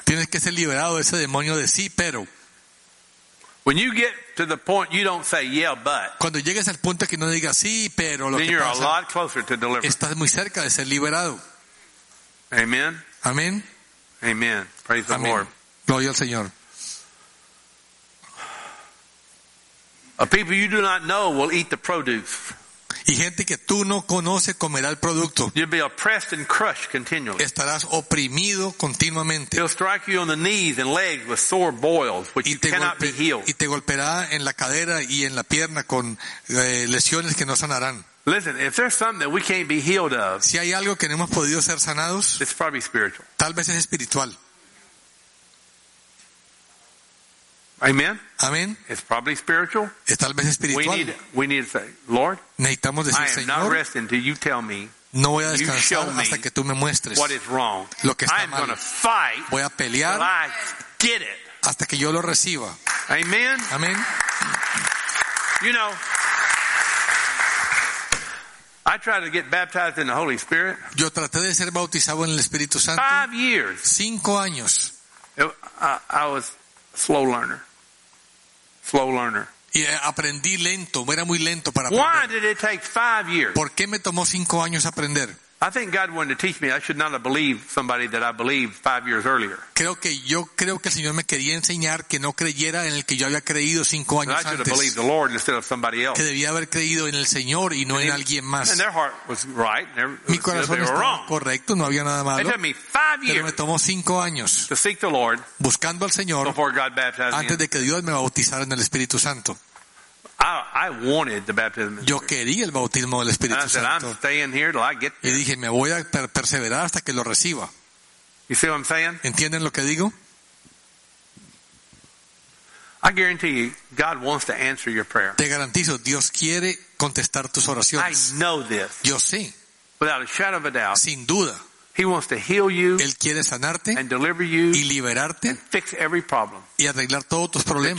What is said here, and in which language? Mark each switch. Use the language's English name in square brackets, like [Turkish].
[Spanish] Tienes que ser liberado de ese demonio de sí, pero. [English] When you get to the point you don't say yeah but. [Spanish] Cuando llegues al punto que no digas sí, pero lo [English] then [Spanish] que [English] you're [Spanish] pasa, [English] a lot closer to deliverance. [Spanish] Estás muy cerca de ser liberado. [English] Amen. Amen. Amen. Praise the [Spanish] Amen. [English] Lord. [Spanish] Gloria al Señor. [English] A people you do not know will eat the produce. [Spanish] Y gente que tú no conoces comerá el producto. [English] You'll be oppressed and crushed continually. [Spanish] Estarás oprimido continuamente. [English] He'll strike you on the knees and legs with sore boils, which you cannot be healed. [Spanish] Y te golpeará en la cadera y en la pierna con lesiones que no sanarán. [English] Listen, if there's something that we can't be healed of, [Spanish] si hay algo que no hemos podido ser sanados, [English] it's probably spiritual. [Spanish] Tal vez es espiritual. [English] Amen. [Spanish] Amen. [English] It's probably spiritual. [Spanish] Es tal vez espiritual. [English] We need to say, Lord. [Spanish] Necesitamos decir, Señor. [English] I am not resting until you tell me. [Spanish] No voy a descansar hasta que tú me muestres. [English] What is wrong? [Spanish] Lo que está [English] I am [Spanish] mal. [English] Going to fight. [Spanish] Voy a pelear. [English] I get it. [Spanish] Hasta que yo lo reciba. [English] Amen. Amen. You know, I tried to get baptized in the Holy Spirit. [Spanish] Yo traté de ser bautizado en el Espíritu Santo. [English] 5 years. [Spanish] 5 años. [English] I was slow learner. [Spanish] Y aprendí lento, era muy lento para aprender. [English] Why did it take 5 years? [Spanish] ¿Por qué me tomó 5 años aprender? [English] I think God wanted to teach me. I should not have believed somebody that I believed 5 years earlier. [Spanish] Creo que el Señor me quería enseñar que no creyera en el que yo había creído 5 años antes. [English] I should have believed the Lord instead of somebody else. [Spanish] Que debía haber creído en el Señor y no en alguien más. [English] And their heart was right. [Spanish] Mi corazón estaba correcto, no había nada malo. [English] It took me 5 years. [Spanish] Pero me tomó 5 años. [English] To seek the Lord. [Spanish] Buscando al Señor. [English] Before God baptized me. [Spanish] Antes de que Dios me bautizara en el Espíritu Santo. [English] I wanted the baptism. [Spanish] Yo quería el bautismo del Espíritu Santo. [English] And I said, I'm staying here till I get there. [Spanish] Y dije, me voy a perseverar hasta que lo reciba. [English] You see what I'm saying? [Spanish] ¿Entienden lo que digo? [English] I guarantee you, God wants to answer your prayer. [Spanish] Te garantizo, Dios quiere contestar tus oraciones. [English] I know this. [Spanish] Yo sé. [English] Without a shadow of a doubt. [Spanish] Sin duda. [English] He wants to heal you. [Spanish] Él quiere sanarte. [English] And deliver you. [Spanish] Y liberarte. [English] And fix every problem. [Spanish] Y arreglar todos tus problemas.